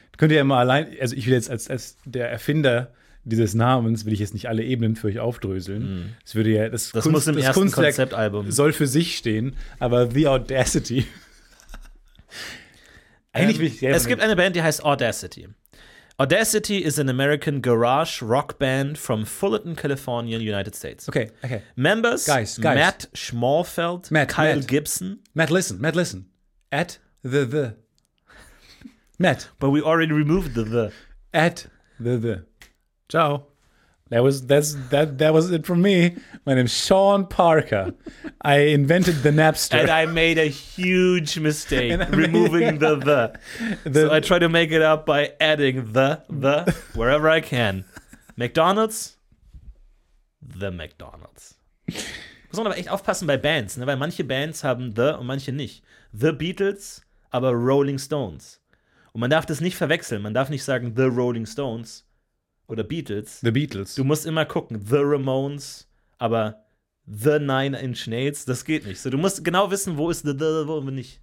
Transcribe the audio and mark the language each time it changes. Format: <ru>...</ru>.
<de>Könnt ihr ja mal allein, also ich will jetzt als der Erfinder dieses Namens will ich jetzt nicht alle Ebenen für euch aufdröseln. Mm. Das würde ja das Kunst, muss im das ersten Kunstwerk Konzeptalbum soll für sich stehen, aber The Audacity. Eigentlich will ich sehr. Es gibt eine Band, die heißt Audacity.</de> <en>Audacity is an American garage rock band from Fullerton, California, United States. Okay. Members guys. Matt Schmorfeld, Kyle Matt. Gibson. Matt, listen. At the. Matt. But we already removed the. At the. Ciao. That was it from me. My name's Sean Parker. I invented the Napster. And I made a huge mistake removing the. So I try to make it up by adding the wherever I can. McDonald's. The McDonald's.</en> <de>Muss man aber echt aufpassen bei Bands, ne? Weil manche Bands haben the und manche nicht. The Beatles, aber Rolling Stones. Und man darf das nicht verwechseln. Man darf nicht sagen The Rolling Stones. Oder Beatles. The Beatles. Du musst immer gucken. The Ramones, aber The Nine Inch Nails, das geht nicht. So, du musst genau wissen, wo ist the, wo nicht.</de>